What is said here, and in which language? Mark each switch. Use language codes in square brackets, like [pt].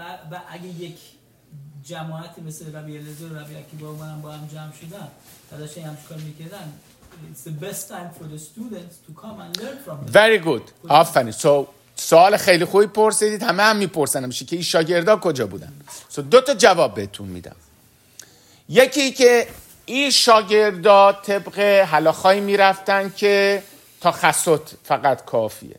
[fa] و اگه یک جماعتی مثل ربی الیزر و ربی اکیبا اومدن با هم جمع شدن تداشتن همچه کار میکردن. [en] It's the best time for the students to come and learn from them. Very good. آفرین. [fa] So, سوال خیلی خوبی پرسیدید. همه هم میپرسن میشه که این شاگردا کجا بودن. So, دو تا جواب بهتون میدم. یکی که این شاگردا طبق هلاخای میرفتن که تا خسوت فقط کافیه.